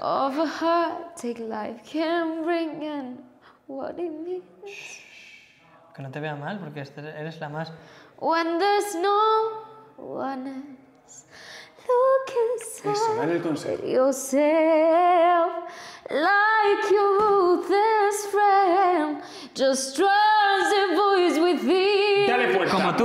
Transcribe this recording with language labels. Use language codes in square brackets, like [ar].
[en] Of a heartache life can bring and what it means. Shh. [es] Que no te vea mal, porque eres la más... [en] When there's no one else, look inside. [es] Eso, dale el consejo. [en] Yourself, like your ruthless friend, just trust the voice within. [es] Dale fuerza. Como tú.